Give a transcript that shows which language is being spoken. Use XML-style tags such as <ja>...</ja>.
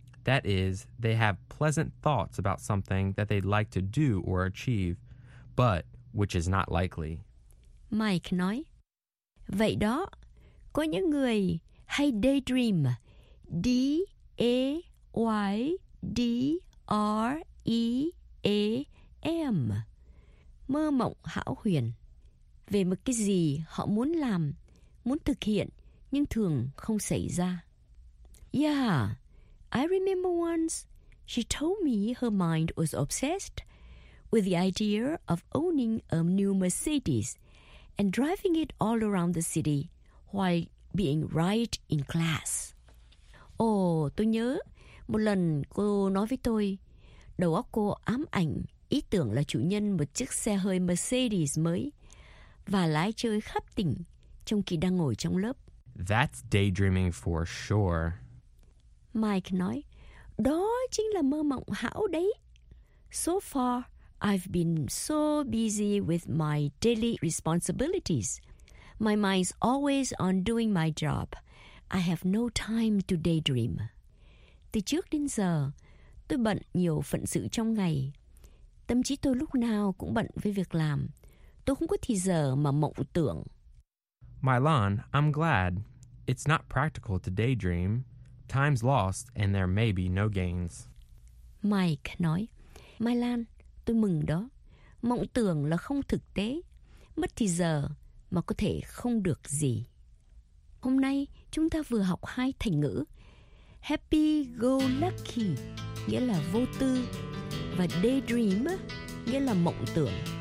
<en>That is, they have pleasant thoughts about something that they'd like to do or achieve, but which is not likely.</en> <vi>Mike nói, vậy đó, có những người hay daydream.</vi> <en>D-A-Y-D-R-E-A-M.</en> <vi>Mơ mộng hão huyền về một cái gì họ muốn làm, muốn thực hiện, nhưng thường không xảy ra.</vi> <en>Yeah, I remember once she told me her mind was obsessed with the idea of owning a new Mercedes and driving it all around the city while being right in class.</en> <vi>Oh, tôi nhớ một lần cô nói với tôi, đầu óc cô ám ảnh ý tưởng là chủ nhân một chiếc xe hơi Mercedes mới và lái chơi khắp tỉnh trong khi đang ngồi trong lớp.</vi> <en>That's daydreaming for sure.</en> <vi>Mike nói, đó chính là mơ mộng hão đấy.</vi> <en>So far, I've been so busy with my daily responsibilities. My mind's always on doing my job. I have no time to daydream.</en> <vi>Từ trước đến giờ, tôi bận nhiều phận sự trong ngày. Tâm trí tôi lúc nào cũng bận với việc làm. Tôi không có thì giờ mà mộng tưởng.</vi> <en>Milan, I'm glad. It's not practical to daydream. Time's lost and there may be no gains.</en> <vi>Mike nói, Milan, tôi mừng đó. Mộng tưởng là không thực tế. Mất thì giờ mà có thể không được gì. Hôm nay chúng ta vừa học hai thành ngữ. Happy go lucky nghĩa là vô tư, và daydream nghĩa là mộng tưởng.</vi>